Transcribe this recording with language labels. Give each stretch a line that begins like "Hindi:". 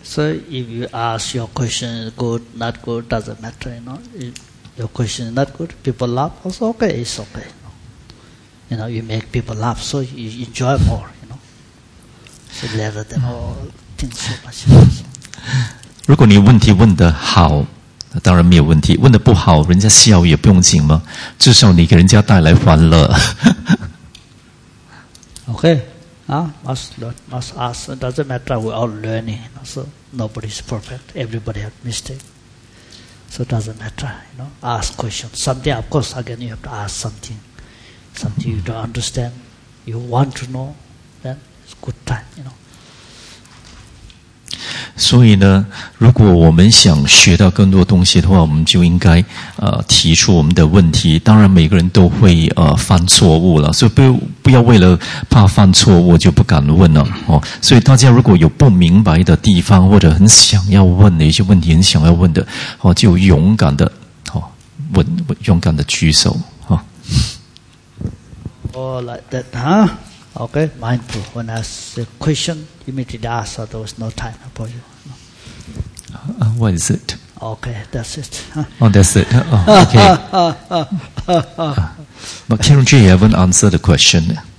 English: so if you ask your question is good, not good, doesn't matter, you know. If your question is not good, people laugh, also okay, it's okay. You know, you make people laugh, so you enjoy more, you know. So let them all think so much.
Chinese: 如果你问题问得好，当然没有问题。问得不好，人家笑也不用紧嘛，至少你给人家带来欢乐。
English: Okay, must learn, must ask. It doesn't matter. We all learning. So nobody is perfect. Everybody have mistake. So it doesn't matter. You know, ask questions. Something, of course, again, you have to ask something. Something you don't understand, you want to know, then it's good time. You know.
Chinese: 所以呢，如果我们想学到更多东西的话，我们就应该提出我们的问题。当然，每个人都会犯错误了，所以不要为了怕犯错误就不敢问了哦。所以大家如果有不明白的地方，或者很想要问的一些问题，很想要问的哦，就勇敢的哦问，勇敢的举手哦。
English: Oh, like that, huh? Okay, mindful. When I ask a question, immediately ask, so there was no time for you. What is it? Okay, that's it. Huh? Oh, that's it. Oh, okay. But Karen G, you haven't answered the question.